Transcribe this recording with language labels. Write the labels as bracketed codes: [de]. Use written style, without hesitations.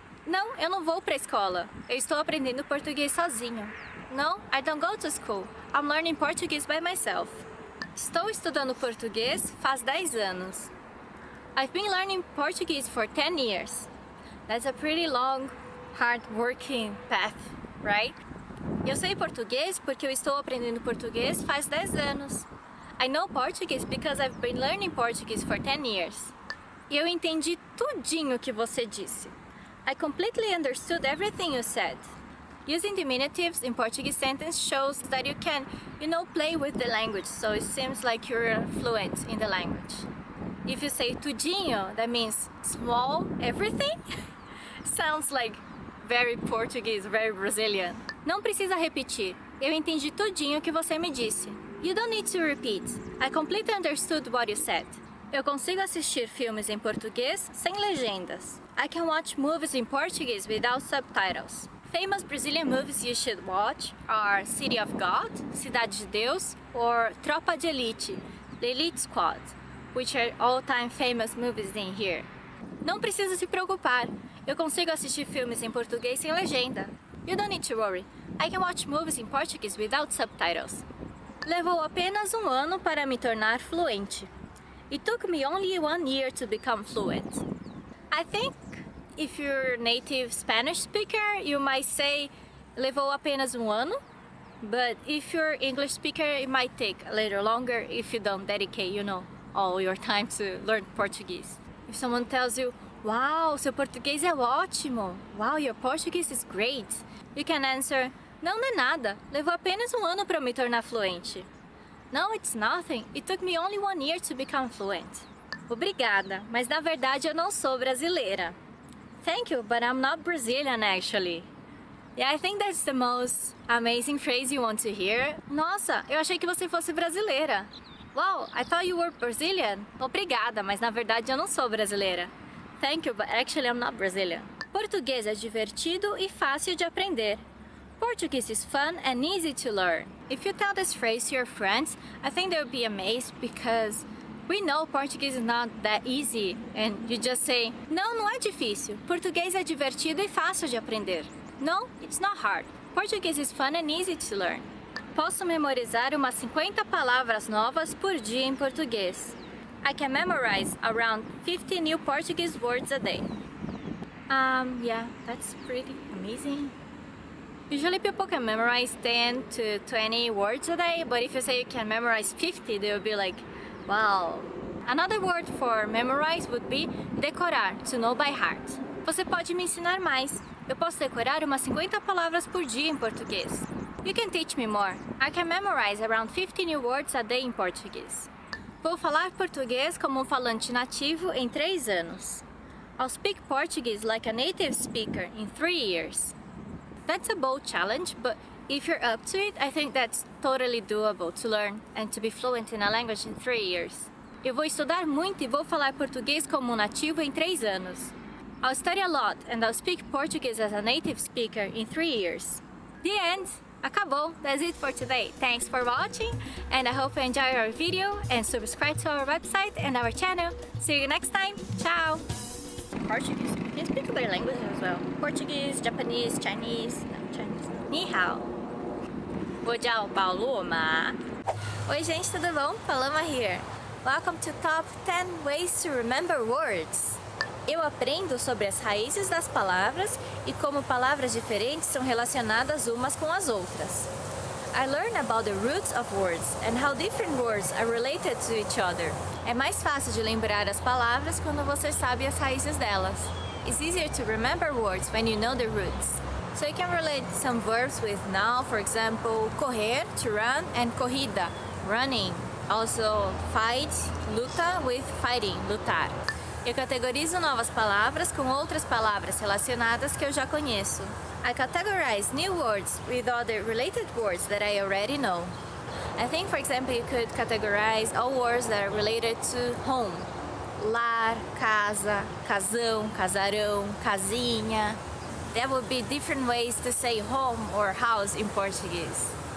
[pt] Não, eu não vou para a escola. Eu estou aprendendo português sozinho. [en] No, I don't go to school. I'm learning Portuguese by myself. [pt] Estou estudando português faz 10 anos. [en] I've been learning Portuguese for 10 years. That's a pretty long, hard-working path, right? [pt] Eu sei português porque eu estou aprendendo português faz 10 anos. [en] I know Portuguese because I've been learning Portuguese for 10 years. [pt] Eu entendi tudinho que você disse. [en] I completely understood everything you said. Using diminutives in Portuguese sentence shows that you can, you know, play with the language, so it seems like you're fluent in the language. If you say tudinho, that means small everything. Sounds like very Portuguese, very Brazilian. [pt] Não precisa repetir. Eu entendi tudinho que você me disse. [en] You don't need to repeat. I completely understood what you said. [pt] Eu consigo assistir filmes em português sem legendas. [en] I can watch movies in Portuguese without subtitles. Famous Brazilian movies you should watch are City of God, Cidade de Deus, or Tropa de Elite, The Elite Squad, which are all-time famous movies in here. [pt] Não precisa se preocupar. Eu consigo assistir filmes em português sem legenda. [en] You don't need to worry. I can watch movies in Portuguese without subtitles. [pt] Levou apenas ano para me tornar fluente. [en] It took me only 1 year to become fluent. I think if you're a native Spanish speaker, you might say [pt] levou apenas ano. [en] But if you're English speaker, it might take a little longer if you don't dedicate, you know, all your time to learn Portuguese. If someone tells you, wow, [pt] seu português é ótimo. [en] Wow, your Portuguese is great. You can answer, [pt] não, não é nada. Levou apenas ano para me tornar fluente. [en] No, it's nothing. It took me only 1 year to become fluent. [pt] Obrigada, mas na verdade eu não sou brasileira. [en] Thank you, but I'm not Brazilian, actually. Yeah, I think that's the most amazing phrase you want to hear. [pt] Nossa, eu achei que você fosse brasileira. [en] Wow, I thought you were Brazilian. [pt] Obrigada, mas na verdade eu não sou brasileira. [en] Thank you, but actually I'm not Brazilian. [pt] Português é divertido e fácil de aprender. [en] Portuguese is fun and easy to learn. If you tell this phrase to your friends, I think they'll be amazed because we know Portuguese is not that easy. And you just say, [pt] não, não é difícil. Português é divertido e fácil de aprender. [en] No, it's not hard. Portuguese is fun and easy to learn. [pt] Posso memorizar umas 50 palavras novas por dia em português. [en] I can memorize around 50 new Portuguese words a day. Yeah, that's pretty amazing. Usually people can memorize 10 to 20 words a day, but if you say you can memorize 50, they'll be like, wow. Another word for memorize would be decorar, to know by heart. [pt] Você pode me ensinar mais. Eu posso decorar umas 50 palavras por dia em português. [en] You can teach me more. I can memorize around 50 new words a day in Portuguese. [pt] Vou falar português como um falante nativo em 3 anos. [en] I'll speak Portuguese like a native speaker in 3 years. That's a bold challenge, but if you're up to it, I think that's totally doable to learn and to be fluent in a language in 3 years. [pt] Eu vou estudar muito e vou falar português como um nativo em 3 anos. [en] I'll study a lot and I'll speak Portuguese as a native speaker in 3 years. The end! Acabou! That's it for today. Thanks for watching and I hope you enjoy our video and subscribe to our website and our channel. See you next time. Ciao! Portuguese. You can speak other languages as well. Portuguese, Japanese, Chinese. No, Chinese. [zh] Ni hao. [pt] Vou já o Paloma. Oi gente, tudo bom? [en] Paloma here. Welcome to Top 10 Ways to Remember Words. [pt] Eu aprendo sobre as raízes das palavras e como palavras diferentes são relacionadas umas com as outras. [en] I learn about the roots of words and how different words are related to each other. [pt] É mais fácil de lembrar as palavras quando você sabe as raízes delas. [en] It's easier to remember words when you know the roots. So you can relate some verbs with now, for example, correr, to run, and corrida, running. Also, fight, luta, with fighting, lutar. [pt] Eu categorizo novas palavras com outras palavras relacionadas que eu já conheço. [en] I categorize new words with other related words that I already know. I think, for example, you could categorize all words that are related to home. [pt] Lar, casa, casão, casarão, casinha. [en] There would be different ways to say home or house in Portuguese.